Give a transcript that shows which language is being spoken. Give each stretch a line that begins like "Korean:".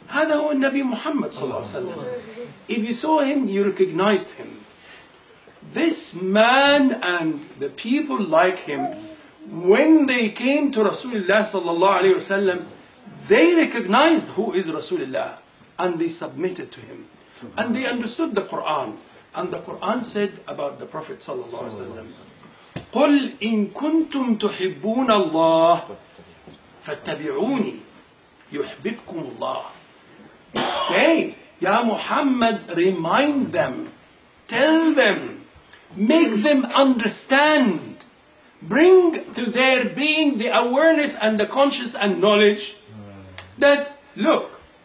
Arabic: هذا هو النبي محمد صلى الله عليه وسلم.
English: If you saw him, you recognized him. This man and the people like him, when they came to Rasulullah
Arabic: صلى الله عليه وسلم,
English: they recognized who is Rasulullah and they submitted to him. And they understood the Quran. And the Quran said about the Prophet
Arabic: صلى الله عليه وسلم, قل إن كنتم تحبون الله فَاتَّبِعُونِي يُحْبِبْكُمُ اللَّهِ.
English: Say, Ya Muhammad, remind them, tell them, make them understand, bring to their being the awareness and the conscious and knowledge that, look,